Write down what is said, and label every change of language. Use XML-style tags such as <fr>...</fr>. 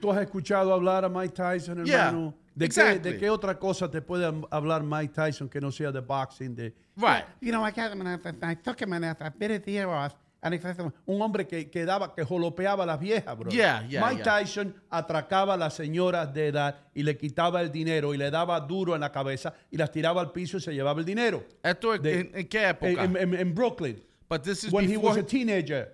<es>¿Tú has escuchado hablar a Mike Tyson, hermano?</es> <en>Yeah.</en> <es>De qué otra cosa te puede hablar Mike Tyson que no sea de boxing?</es> <en>Right. You know, I got him and I took him and I bit his ear off.</en> <es>Un hombre que daba, que jolopeaba a las viejas, bro. Mike Tyson atracaba a las señoras de edad y le quitaba el dinero y le daba duro en la cabeza y las tiraba al piso y se llevaba el dinero. ¿Esto es en qué época? En Brooklyn.</es> <en>But this is when before... he was a teenager.</en>